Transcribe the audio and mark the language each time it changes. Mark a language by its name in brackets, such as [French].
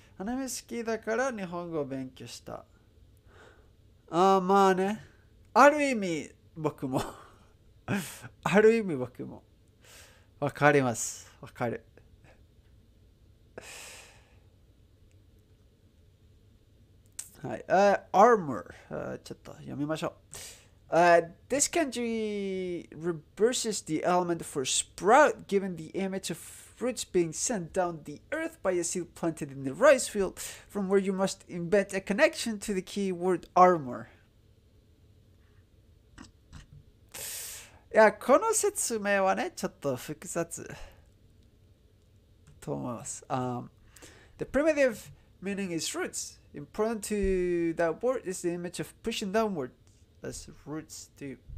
[Japanese] アニメ好きだから日本語を勉強した。まあね、ある意味僕も ある意味僕も。わかります。わかる。はい。Armor。ちょっと読みましょう。 [English] This country reverses the element for sprout, given the image of fruits being sent down the earth by a seed planted in the rice field, from where you must embed a connection to the key word armor. [Japanese] いや、この説明はね、ちょっと複雑と思います。 [English] The primitive meaning is roots. Important to that word is the image of pushing downward as roots do.